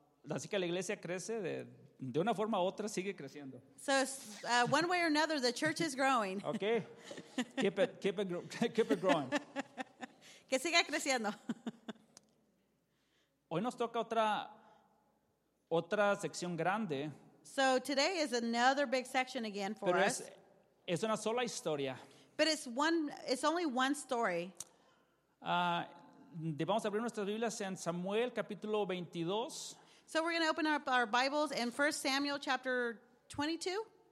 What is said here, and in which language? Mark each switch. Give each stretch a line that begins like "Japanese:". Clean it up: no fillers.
Spanish: Así que la iglesia crece de una forma u otra, sigue creciendo.
English: So one way or another, the church is growing. Okay. Keep it growing.
Spanish: Que siga creciendo. Hoy nos toca otra sección grande.
English: So today is another big section again for
Spanish: pero
English: us.
Spanish: Es una sola historia.
English: But it's only one story.
Spanish: Vamos a abrir nuestras Biblias en Samuel capítulo 22.
English: So we're going to open up our Bibles in 1 Samuel chapter 22.